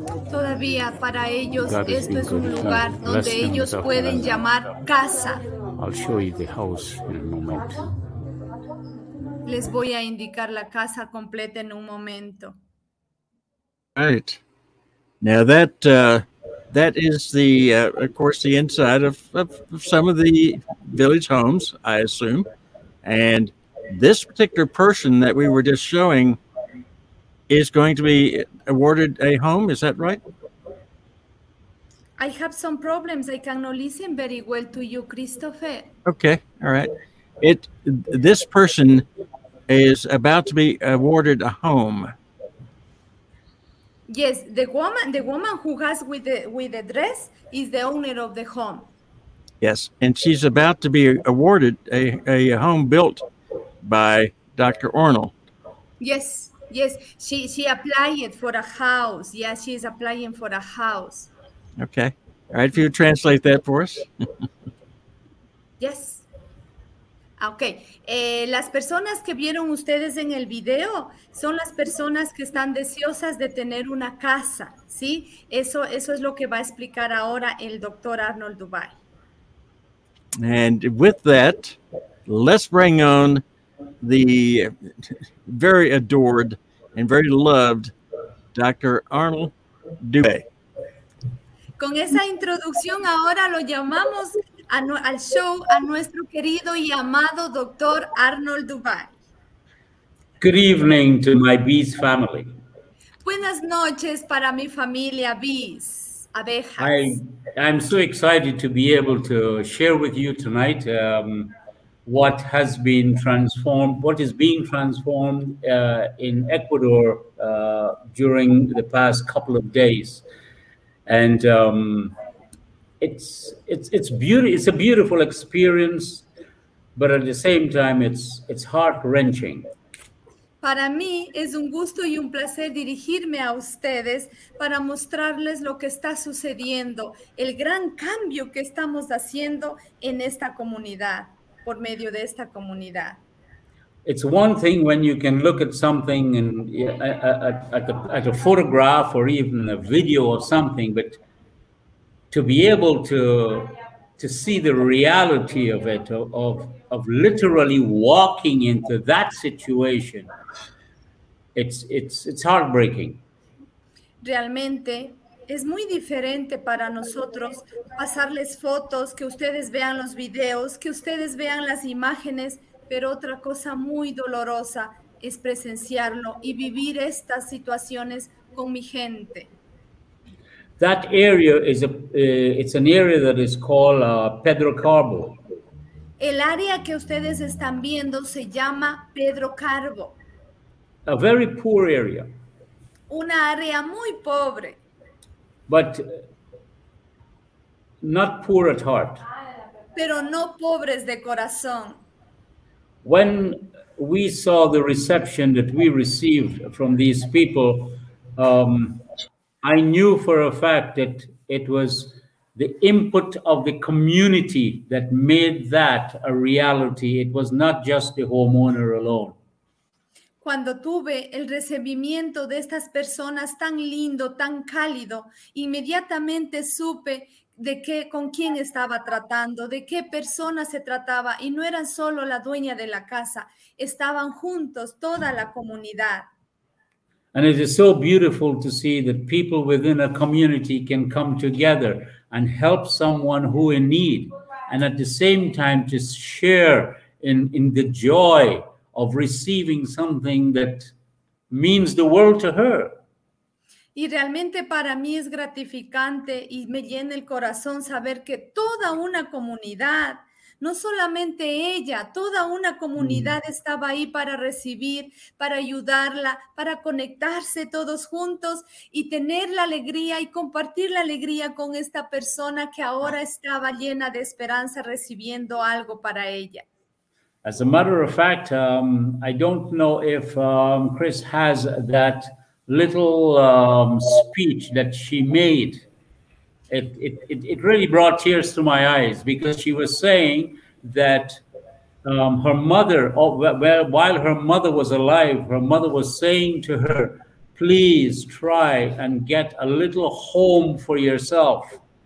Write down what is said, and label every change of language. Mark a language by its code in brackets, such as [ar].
[es] Todavía para ellos esto es un lugar donde ellos pueden llamar casa. [en] I'll show you the house in a moment. [es] Les voy a indicar la casa completa en un momento. [en] Right. Now that that is the of course the inside of some of the village homes, I assume. And this particular person that we were just showing is going to be awarded a home, is that right? I have some problems. I cannot listen very well to you, Christopher. Okay, all right. This person is about to be awarded a home. Yes, the woman who has with the dress is the owner of the home. Yes, and she's about to be awarded a home built by Dr. Arnold. Yes. Yes, she applied for a house. Yes, yeah, she is applying for a house. Okay. All right, if you translate that for us. Yes. Okay. [es] Las personas que vieron ustedes en el video son las personas que están deseosas de tener una casa, ¿sí? Eso es lo que va a explicar ahora el Dr. Arnold Doobay. [en] And with that, let's bring on the very adored and very loved Dr. Arnold Doobay. [es] Con esa introducción, ahora lo llamamos al show a nuestro querido y amado Dr. Arnold Doobay. [en] Good evening to my bees family. [es] Buenas noches para mi familia bees, abejas. [en] I'm so excited to be able to share with you tonight what has been transformed, what is being transformed in Ecuador during the past couple of days. And it's a beautiful experience, but at the same time, it's heart-wrenching. [es] Para mí es un gusto y un placer dirigirme a ustedes para mostrarles lo que está sucediendo, el gran cambio que estamos haciendo en esta comunidad. Por medio de esta comunidad. [en] It's one thing when you can look at something and at a photograph or even a video or something, but to be able to see the reality of it, of literally walking into that situation, it's heartbreaking. [es] realmente es muy diferente para nosotros pasarles fotos, que ustedes vean los videos, que ustedes vean las imágenes, pero otra cosa muy dolorosa es presenciarlo y vivir estas situaciones con mi gente. [en] That area is a it's an area that is called Pedro Carbo. [es] El área que ustedes están viendo se llama Pedro Carbo. [en] A very poor area. [es] Una área muy pobre. [en] But not poor at heart. [es] Pero no pobres de corazón. [en] When we saw the reception that we received from these people, I knew for a fact that it was the input of the community that made that a reality. It was not just the homeowner alone. [es] Cuando tuve el recibimiento de estas personas tan lindo, tan cálido, inmediatamente supe de qué, con quién estaba tratando, de qué persona se trataba, y no era solo la dueña de la casa, estaban juntos toda la comunidad. [en] And it is so beautiful to see that people within a community can come together and help someone who in need, and at the same time to share in the joy of receiving something that means the world to her. [es] Y realmente para mí es gratificante y me llena el corazón saber que toda una comunidad, no solamente ella, toda una comunidad estaba ahí para recibir, para ayudarla, para conectarse todos juntos y tener la alegría y compartir la alegría con esta persona que ahora estaba llena de esperanza recibiendo algo para ella. [en] As a matter of fact, I don't know if Chris has that little speech that she made. It really brought tears to my eyes because she was saying that her mother, while her mother was alive, her mother was saying to her, please try and get a little home for yourself.